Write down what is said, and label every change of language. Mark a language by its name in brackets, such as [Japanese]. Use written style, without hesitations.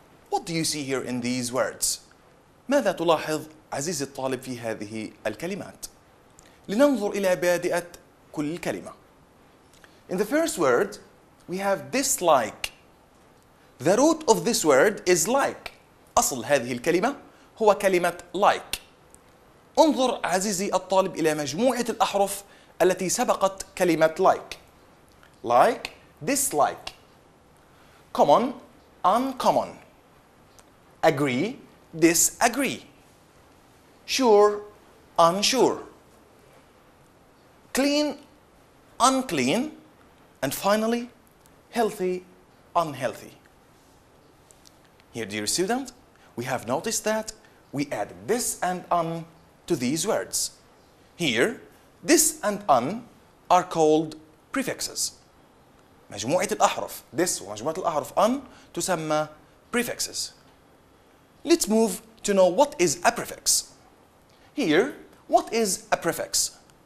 [English] What do you see here in these words? [Arabic] ماذا تلاحظ عزيزي الطالب في هذه الكلمات؟ لننظر إلى بادئة كل كلمة. [English] In the first word, we have dislike. The root of this word is like. [Arabic] أصل هذه الكلمة هو كلمة like. انظر عزيزي الطالب إلى مجموعة الأحرف التي سبقت كلمة like. [English] Like, dislike. Common, uncommon. Agree, disagree. Sure, unsure. Clean, unclean, and finally, healthy, unhealthy. Here, dear student, we have noticed that we add this and un to these words. Here, this and un are called prefixes. [Arabic] مجموعة الأحرف, this ومجموعة الأحرف un تسمى prefixes. [English] Let's move to know what is a prefix. Here, what is a prefix?